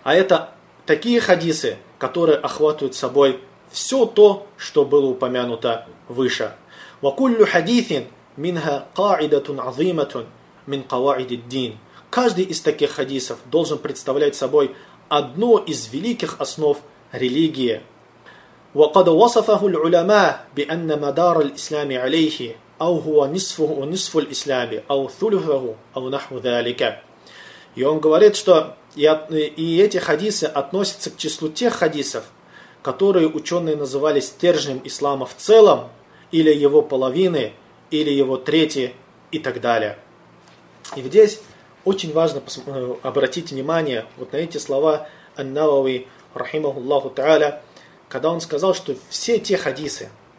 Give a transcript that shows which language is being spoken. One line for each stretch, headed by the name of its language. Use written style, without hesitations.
Russian: А это такие хадисы, которые охватывают собой все то, что было упомянуто выше.
Arabic: «Вакуллю хадисин минха каидатун азиматун мин каваидиддин».
Russian: Каждый из таких хадисов должен представлять собой одно из великих основ религии.
Arabic: وقد وصفه العلماء بأن مدار الإسلام عليه أو هو نصفه ونصف الإسلام أو ثلثه أو نحو ذلك.
Russian: И он говорит, что И эти хадисы относятся к числу тех хадисов, которые ученые называли стержнем ислама в целом, или его половины, или его трети и так далее. И здесь очень важно обратить внимание вот на эти слова Ан-Навави, рахимахуллаху та'аля, когда он сказал, что все те хадисы,